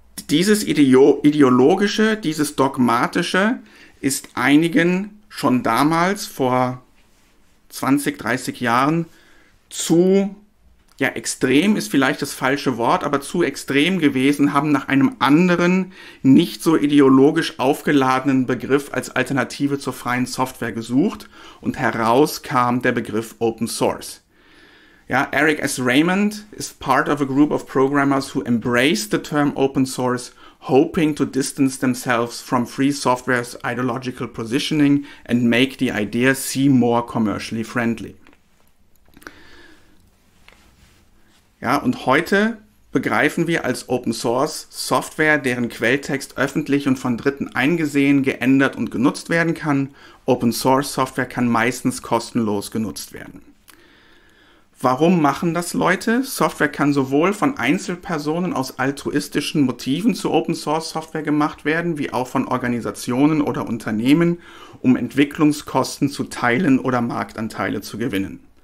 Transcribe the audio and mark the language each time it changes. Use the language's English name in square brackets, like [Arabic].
[German] Dieses Ideologische, dieses Dogmatische ist einigen schon damals vor 20, 30 Jahren zu ja, extrem ist vielleicht das falsche Wort, aber zu extrem gewesen, haben nach einem anderen, nicht so ideologisch aufgeladenen Begriff als Alternative zur freien Software gesucht und heraus kam der Begriff Open Source. Ja, Eric S. [English] Raymond ist part of a group of programmers who embrace the term Open Source, hoping to distance themselves from free software's ideological positioning and make the idea seem more commercially friendly. [German] Ja, und heute begreifen wir als Open Source Software, deren Quelltext öffentlich und von Dritten eingesehen, geändert und genutzt werden kann. Open Source Software kann meistens kostenlos genutzt werden. Warum machen das Leute? Software kann sowohl von Einzelpersonen aus altruistischen Motiven zu Open Source Software gemacht werden, wie auch von Organisationen oder Unternehmen, um Entwicklungskosten zu teilen oder Marktanteile zu gewinnen.